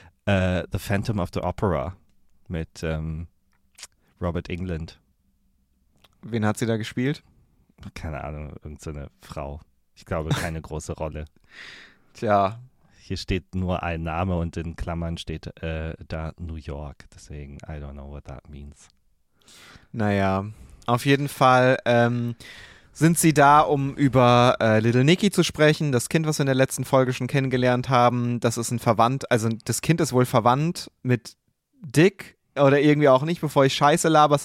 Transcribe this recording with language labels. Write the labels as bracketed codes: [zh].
[de] The Phantom of the Opera mit Robert Englund. Wen hat sie da gespielt? Keine Ahnung, irgendeine Frau. Ich glaube, keine große Rolle. Tja. Hier steht nur ein Name und in Klammern steht da New York. Deswegen, [en] I don't know what that means. [de] Naja, auf jeden Fall sind sie da, um über Little Nicky zu sprechen, das Kind, was wir in der letzten Folge schon kennengelernt haben. Das ist ein Verwandt, also das Kind ist wohl verwandt mit Dick oder irgendwie auch nicht, bevor ich Scheiße laber.